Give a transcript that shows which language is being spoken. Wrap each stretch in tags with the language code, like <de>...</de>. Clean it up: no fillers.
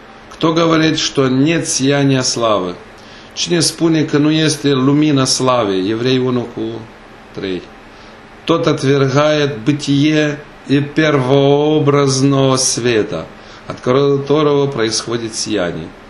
<ru>Кто говорит, что нет сияния славы?</ru> <ro>Cine spune că nu este lumina slavei? Evrei 1 cu 3.</ro> <ru>Тот отвергает бытие и первообразного света, от которого происходит сияние.</ru>